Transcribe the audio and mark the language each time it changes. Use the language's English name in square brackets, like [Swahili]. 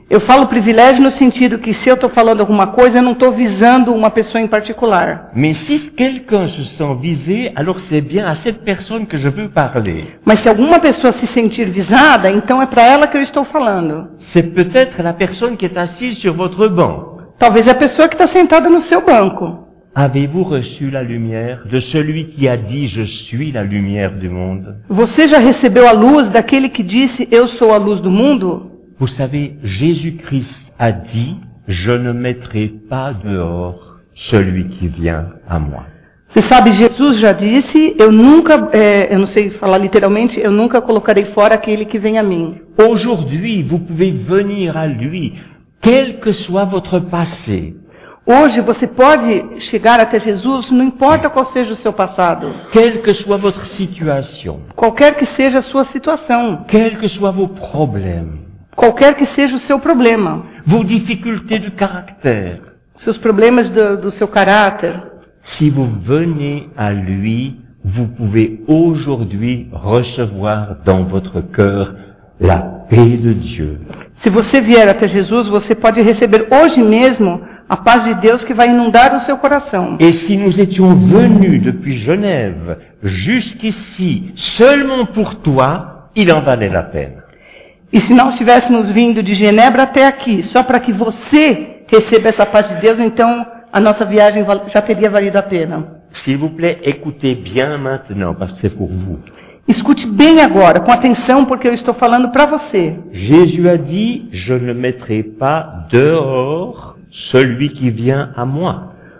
[Portuguese] Eu falo privilégio no sentido que se eu estou falando alguma coisa, eu não estou visando uma pessoa em particular. [French] Mais si quelqu'un se sent visé, alors c'est bien à cette personne que je veux parler. [Portuguese] Mas se alguma pessoa se sentir visada, então é para ela que eu estou falando. [French] C'est peut-être la personne qui est assise sur votre banc. [Portuguese] Talvez a pessoa que está sentada no seu banco. [French] Avez-vous reçu la lumière de celui qui a dit je suis la lumière du monde? [Portuguese] Você já recebeu a luz daquele que disse eu sou a luz do mundo? [French] Vous savez, Jésus-Christ a dit je ne mettrai pas dehors celui qui vient à moi. [Portuguese] Você sabe, Jesus já disse eu nunca, eu não sei falar literalmente, eu nunca colocarei fora aquele que vem a mim. [French] Aujourd'hui, vous pouvez venir à lui, quel que soit votre passé. [Portuguese] Hoje você pode chegar até Jesus, não importa qual seja o seu passado. [French] Quelle que soit votre situation. [Portuguese] Qualquer que seja a sua situação. [French] Quel que soit vos problèmes. [Portuguese] Qualquer que seja o seu problema. [French] Vos difficultés de caractère. [Portuguese] Seus problemas do seu caráter. [French] Si vous venez à lui, vous pouvez aujourd'hui recevoir dans votre cœur la paix de Dieu. [Portuguese] Se você vier até Jesus, você pode receber hoje mesmo a paz de Deus que vai inundar o seu coração. [French] Et si nous étions venus depuis Genève jusqu'ici seulement pour toi, il en valait la peine. [Portuguese] E se nós tivéssemos vindo de Genebra até aqui, só para que você receba essa paz de Deus, então a nossa viagem já teria valido a pena. [French] S'il vous plaît, écoutez bien maintenant parce que c'est pour vous. [Portuguese] Escute bem agora, com atenção, porque eu estou falando para você. [French] Jésus a dit, je ne mettrai pas dehors celui qui vient à moi.